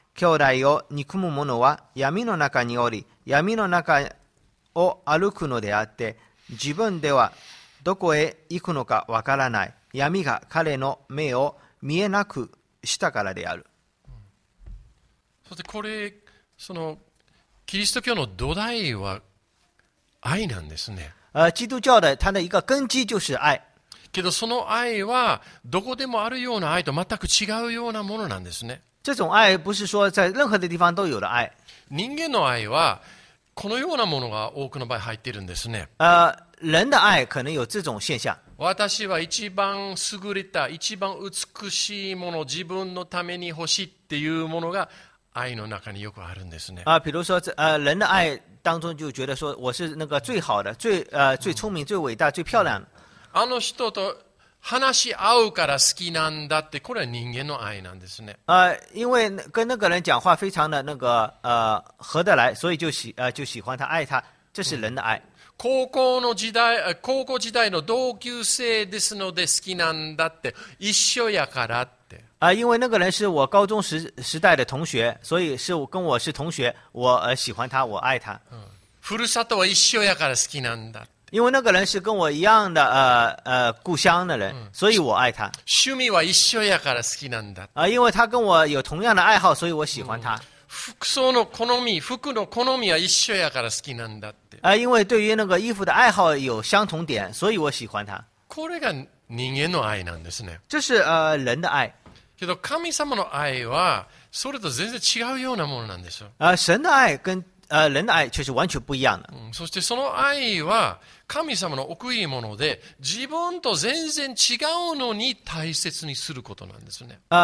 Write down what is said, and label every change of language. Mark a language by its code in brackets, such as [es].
[ja] 兄弟を憎む者は闇の中におり、闇の中を歩くのであって自分ではどこへ行くのかわからない。闇が彼の目を見えなくしたからである。そしてこれ、そのキリスト教の土台は愛なんですね。 [zh] 基督教的它的一个根基就是爱。 [ja] けどその愛はどこでもあるような愛と全く違うようなものなんですね。 [zh] 这种爱不是说在任何的地方都有的爱。 [ja] 人間の愛はこのようなものが多くの場合入っているんですね。 [zh] 人的爱可能有这种现象。 [ja] 私は一番優れた、一番美しいもの、自分のために欲しいっていうものが愛の中によくあるんですね。 [zh] 比如说人的爱当中就觉得说我是那个最好的、最聪明、最伟大、最漂亮的。 [ja] あの人と話し合うから好きなんだって、これは人間の愛なんですね。 [zh] 因为跟那个人讲话非常的那个合得来，所以就喜欢他、爱他，这是人的爱。 [ja] 高校の時代、高校時代の同級生ですので好きなんだって、一緒やからって。 [zh] 因为那个人是我高中 时代的同学，所以是跟我是同学，我喜欢他，我爱他。 [ja] ふるさとは一緒やから好きなんだ。 [zh] 因为那个人是跟我一样的故乡的人，所以我爱他。 [ja] 趣味は一緒やから好きなんだ。 [zh] 因为他跟我有同样的爱好，所以我喜欢他。 [ja] 服装の好み、服の好みは一緒やから好きなんだって。 [zh] 因为对于那个衣服的爱好有相同点，所以我喜欢他。 [ja] これが人間の愛なんですね。 [zh] 这是人的爱。 [ja] けど神様の愛はそれと全然違うようなものなんですよ。 [zh] 神的爱跟人的爱却是完全不一样的。 [ja] そしてその愛は神様の奥義もので、自分と全然違うのに大切にすることなんですね。